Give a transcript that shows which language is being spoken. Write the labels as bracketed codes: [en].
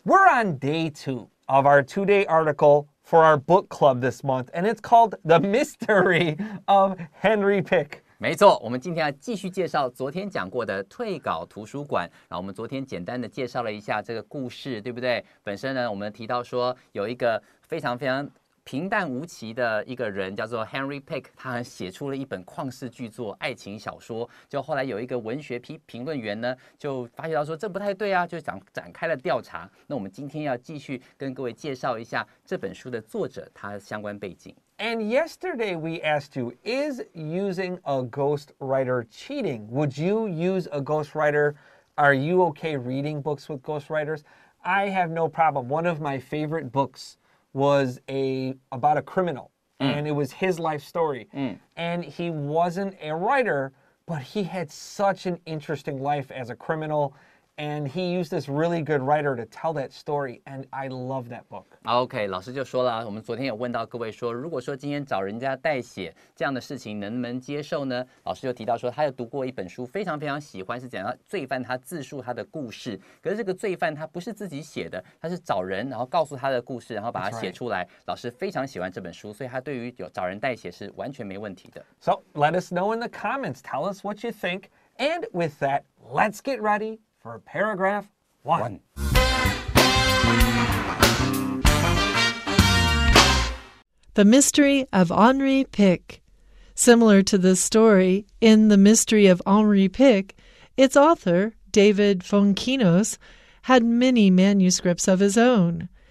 [en] We're on day two of our two-day article for our book club this month, and it's called The Mystery of Henri Pick. [zh] 没错，我们今天要继续介绍昨天讲过的退稿图书馆。然后我们昨天简单的介绍了一下这个故事，对不对？本身呢，我们提到说有一个非常非常平淡无奇的一个人叫做 Henri Pick， 他写出了一本旷世巨作爱情小说，就后来有一个文学评论员呢就发觉到说这不太对啊，就想展开了调查。那我们今天要继续跟各位介绍一下这本书的作者他相关背景。 [en] And yesterday we asked you, is using a ghostwriter cheating? Would you use a ghostwriter? Are you okay reading books with ghostwriters? I have no problem. One of my favorite booksWas about a criminal, and it was his life story. And he wasn't a writer, but he had such an interesting life as a criminal, and he used this really good writer to tell that story, and I love that book. [zh] Okay, 老师就说了，我们昨天有问到各位说，如果说今天找人家代写这样的事情，能不能接受呢？老师就提到说，他有读过一本书，非常非常喜欢，是讲到罪犯他自述他的故事。可是这个罪犯他不是自己写的，他是找人，然后告诉他的故事，然后把它写出来。 [en] Right. [zh] 老师非常喜欢这本书，所以他对于有找人代写是完全没问题的。 [en] So let us know in the comments, tell us what you think, and with that, let's get ready for paragraph one. The Mystery of Henri Pick. Similar to the story in The Mystery of Henri Pick, its author, David Fonkinos, had many manuscripts of his own.